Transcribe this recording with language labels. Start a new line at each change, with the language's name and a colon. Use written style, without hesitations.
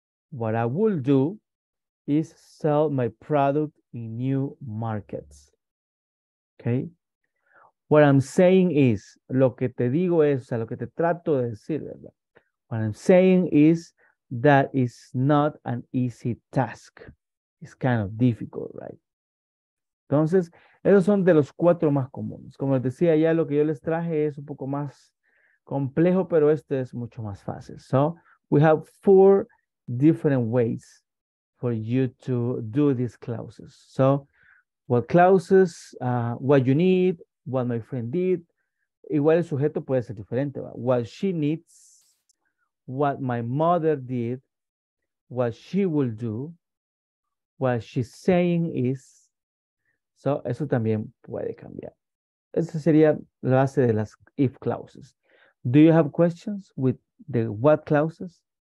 English: What I will do is sell my product in new markets. Okay? What I'm saying is,
Spanish: lo que te digo es, o sea, lo que te trato de decir, ¿verdad?
English: What I'm saying is that it's not an easy task. It's kind of difficult, right?
Spanish: Entonces, esos son de los cuatro más comunes. Como les decía ya, lo que yo les traje es un poco más complejo, pero este es mucho más fácil.
English: So, we have four different ways for you to do these clauses. So, what clauses, what you need, what my friend did.
Spanish: Igual el sujeto puede ser diferente. ¿Va?
English: What she needs, what my mother did, what she will do, what she's saying is, so
Spanish: eso también puede cambiar. Esa sería la base de las if clauses.
English: Do you have questions with the what clauses?